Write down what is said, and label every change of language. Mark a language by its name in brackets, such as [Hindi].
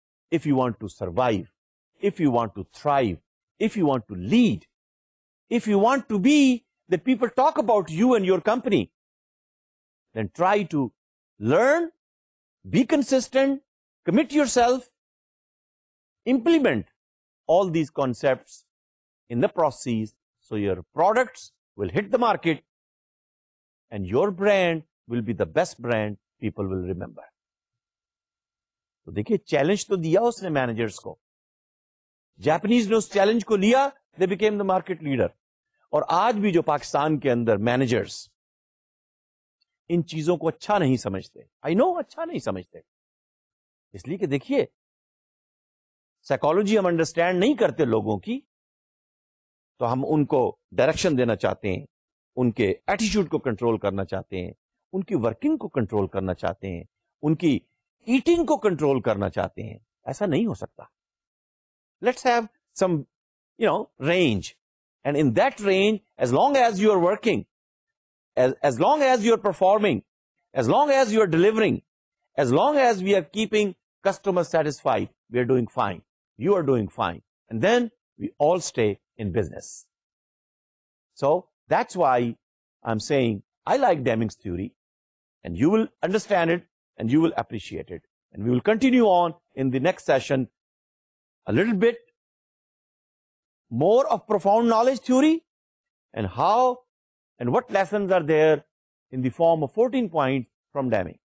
[English] if you want to survive, if you want to thrive, if you want to lead, if you want to be that people talk about you and your company, then try to learn, be consistent, commit yourself, implement all these concepts in the process so your products will hit the market and your brand will be the best brand people will remember. [Urdu] تو دیکھیے challenge تو دیا اس نے managers کو. Japanese نے اس challenge کو لیا, [English] They became the market leader. [Urdu] اور آج بھی جو پاکستان کے اندر مینیجرس ان چیزوں کو اچھا نہیں سمجھتے, [English] I know [Urdu] اچھا نہیں سمجھتے, اس لیے کہ دیکھیے سائیکالوجی ہم انڈرسٹینڈ نہیں کرتے لوگوں کی, تو ہم ان کو ڈائریکشن دینا چاہتے ہیں, ان کے ایٹیچیوڈ کو کنٹرول کرنا چاہتے ہیں, ان کی ورکنگ کو کنٹرول کرنا چاہتے ہیں, ان کی ایٹنگ کو کنٹرول کرنا چاہتے ہیں. ایسا نہیں ہو سکتا. [English] Let's have some you know range, and in that range as long as you are working, as long as you are performing, as long as you are delivering, as long as we are keeping customer satisfied, we are doing fine, you are doing fine, and then we all stay in business. So that's why I am seeing I like Deming's theory, and you will understand it and you will appreciate it. And we will continue on in the next session a little bit more of profound knowledge theory and how and what lessons are there in the form of 14 points from Deming.